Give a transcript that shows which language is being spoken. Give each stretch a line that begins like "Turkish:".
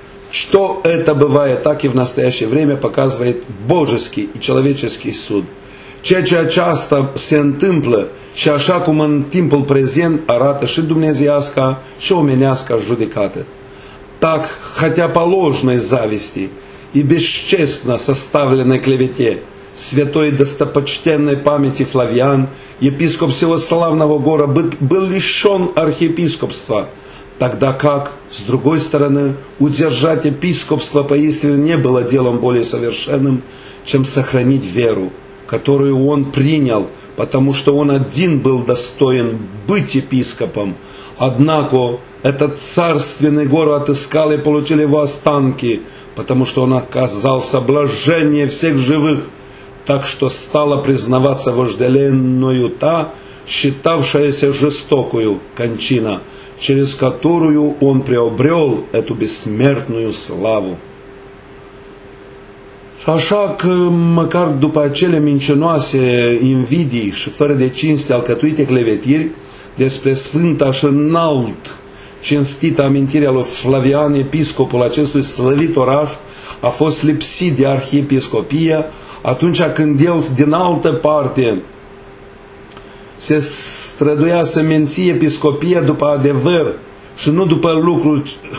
Russian: Что это бывает так и в настоящее время показывает божеский и человеческий суд.
Romanian: Ceea ce aceasta se întâmplă și așa cum în timpul prezent arată și dumnezeiasca și omenească judecată.
Russian: Так, хотя по ложной зависти и бесчестно составленной клевете святой достопочтенной памяти Флавиан, епископ всего славного гора, был лишен архиепископства, тогда как, с другой стороны, удержать епископство поистине не было делом более совершенным, чем сохранить веру, которую он принял, потому что он один был достоин быть епископом. Однако этот царственный город отыскал и получил его останки, потому что он оказался блаженнее всех живых, так что стала признаваться вожделенную та, считавшаяся жестокую кончина, через которую он приобрел эту бессмертную славу.
Romanian: Și așa că, măcar după acele mincinoase invidii și fără de cinste alcătuite clevetiri despre sfânta și înalt cinstită amintirea lui Flavian, episcopul acestui slăvit oraș a fost lipsit de arhiepiscopie atunci când el, din altă parte, se străduia să menții episcopia după adevăr și nu după lucruri...